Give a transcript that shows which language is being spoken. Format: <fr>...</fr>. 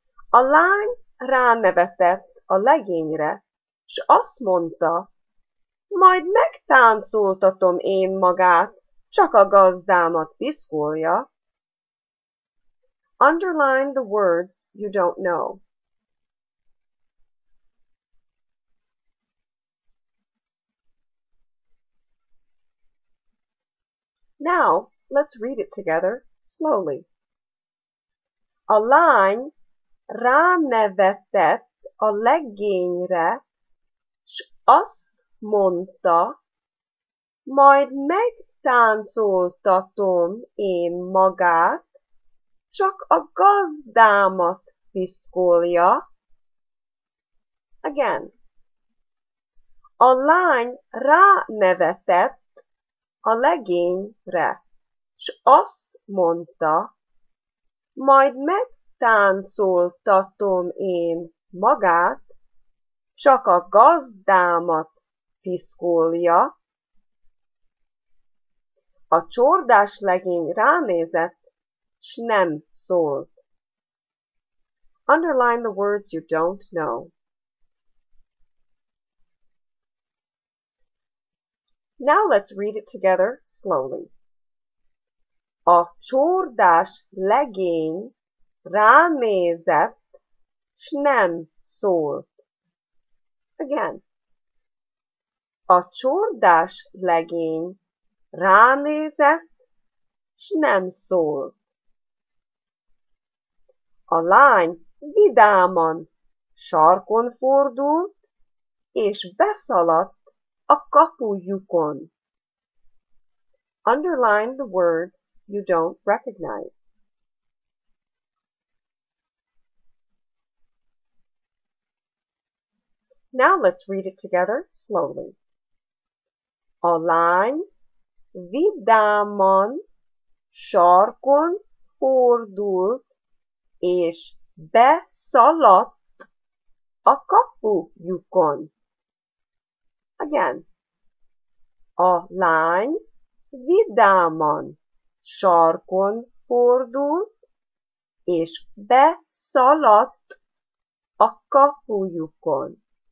<hu>A lány ránevetett a legényre, s azt mondta, majd megtáncoltatom én magát, csak a gazdámat piszkolja.</hu> <en>Underline the words you don't know. Now, let's read it together slowly.</en> <hu>A lány ránevetett a legényre, s azt mondta, majd megtáncoltatom én magát, csak a gazdámat piszkolja.</hu> <en>Again.</en> <hu>A lány ránevetett a legényre, s azt mondta, majd megtáncoltatom én magát, csak a gazdámat piszkolja. A csordás legény ránézett, s nem szólt.</hu> <en>Underline the words you don't know. Now let's read it together slowly.</en> <hu>A csordás legény ránézett, s nem szólt.</hu> <en>Again.</en> <hu>A csordás legény ránézett, s nem szólt. A lány vidáman sarkon fordult, és beszaladt a kapujukon.</hu> <en>Underline the words you don't recognize. Now let's read it together slowly.</en> <hu>A lány vidáman sarkon fordult és beszaladt a kapujukon.</hu> <en>Again,</en> <hu>a lány vidáman sarkon fordult, és beszaladt a kapujukon.</hu>